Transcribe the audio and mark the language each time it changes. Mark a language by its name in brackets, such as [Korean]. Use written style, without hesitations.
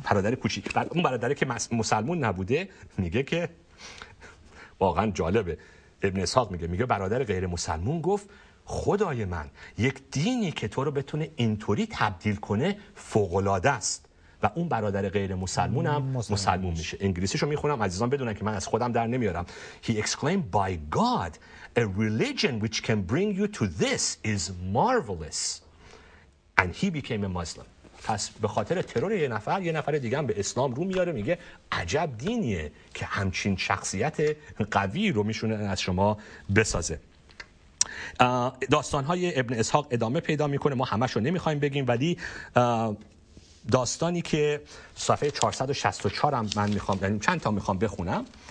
[Persian] برادر کوچیک، بعد اون برادری که مسلمون نبوده میگه که واقعا جالبه، ابن اسحاق میگه برادر غیر مسلمون گفت خدای من، یک دینی که تو رو بتونه اینطوری تبدیل کنه فوق‌العاده است. و اون برادر غیر مسلمون هم مسلمون میشه. انگلیسیشو میخونم عزیزان بدونن که من از خودم در نمیارم. [English] He exclaimed by God, a religion which can bring you to this is marvelous. And he became a Muslim. [Persian] پس به خاطر ترور یه نفر، یه نفر دیگه هم به اسلام رو میاره، میگه عجب دینیه که همچین شخصیت قوی رو میشونه از شما بسازه. داستانهای ابن اسحاق ادامه پیدا میکنه، ما همشو نمیخوایم بگیم، ولی داستانی که صفحه 464 هم من میخوام، یعنی چند تا میخوام بخونم.